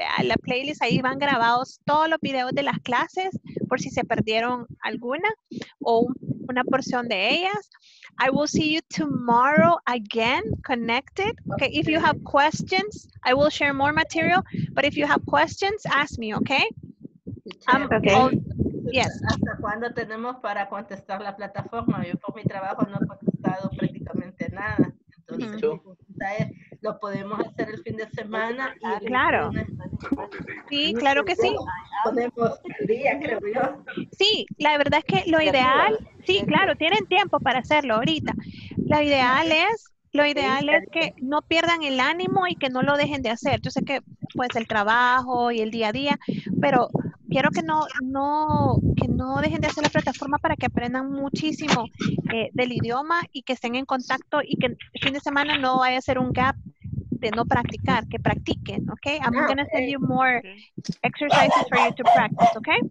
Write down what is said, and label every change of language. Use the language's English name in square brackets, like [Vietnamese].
[Spanish] La playlist, ahí van grabados todos los videos de las clases por si se perdieron alguna o una porción de ellas. [English] I will see you tomorrow again, connected. Okay, if you have questions, I will share more material. But if you have questions, ask me, okay? Okay. Yes. [Spanish] ¿Hasta cuándo tenemos para contestar la plataforma? Yo por mi trabajo no he contestado prácticamente nada. Entonces, ¿lo podemos hacer el fin de semana? Y claro. Sí, claro que sí. Podemos el día, creo yo. Sí, la verdad es que lo ideal, sí, claro, tienen tiempo para hacerlo ahorita. La ideal es Lo ideal es que no pierdan el ánimo y que no lo dejen de hacer. Yo sé que, pues, el trabajo y el día a día, pero quiero que no dejen de hacer la plataforma para que aprendan muchísimo del idioma y que estén en contacto y que el fin de semana no vaya a ser un gap de no practicar, que practiquen, ¿ok? [English] I'm going to send you more exercises for you to practice, ¿ok?